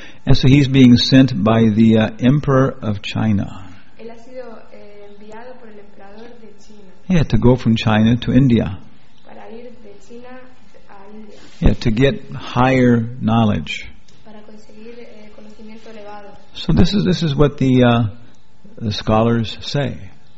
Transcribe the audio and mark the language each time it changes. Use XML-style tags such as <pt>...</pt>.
<en>And so he's being sent by the Emperor of China.</en> <es>Él ha sido, enviado por el emperador de China.</es> <en>Yeah, to go from China to India.</en> <es>Para ir de China a India.</es> <en>Yeah, to get higher knowledge.</en> <es>Para conseguir, conocimiento elevado.</es> <en>So this is what the scholars say.</en>